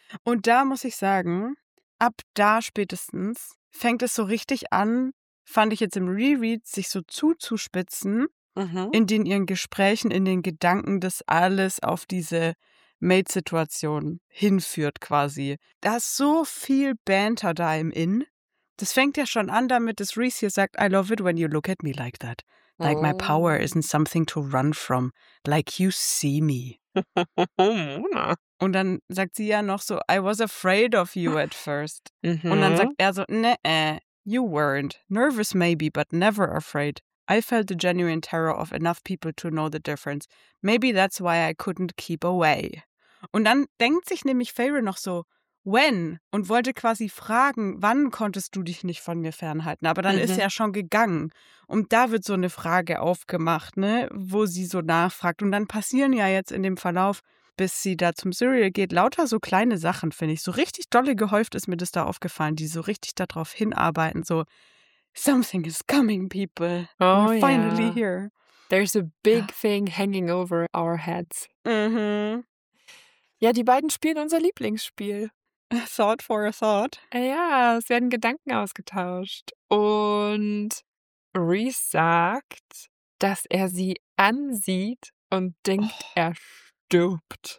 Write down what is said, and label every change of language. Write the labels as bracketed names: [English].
[German] Und da muss ich sagen, ab da spätestens fängt es so richtig an, fand ich jetzt im Reread, sich so zuzuspitzen, in den ihren Gesprächen, in den Gedanken, dass alles auf diese Mate-Situation hinführt quasi. Da ist so viel Banter da im Inn. Das fängt ja schon an damit, dass Rhys hier sagt, [English] I love it when you look at me like that. Like my power isn't something to run from. Like you see me. [German] Und dann sagt sie ja noch so, [English] I was afraid of you at first. [German] Und dann sagt er so, nee, [English] you weren't. Nervous maybe, but never afraid. I felt the genuine terror of enough people to know the difference. Maybe that's why I couldn't keep away. [German] Und dann denkt sich nämlich Feyre noch so, when? Und wollte quasi fragen, wann konntest du dich nicht von mir fernhalten? Aber dann ist er schon gegangen. Und da wird so eine Frage aufgemacht, ne, wo sie so nachfragt. Und dann passieren ja jetzt in dem Verlauf, bis sie da zum Cyril geht, lauter so kleine Sachen, finde ich. So richtig dolle gehäuft ist mir das da aufgefallen, die so richtig darauf hinarbeiten, so, [English] something is coming, people. Oh, we're finally here. There's a big thing hanging over our heads. [German] Ja, die beiden spielen unser Lieblingsspiel. [English] A thought for a thought. [German] Ja, es werden Gedanken ausgetauscht. Und Rhys sagt, dass er sie ansieht und denkt, er stirbt.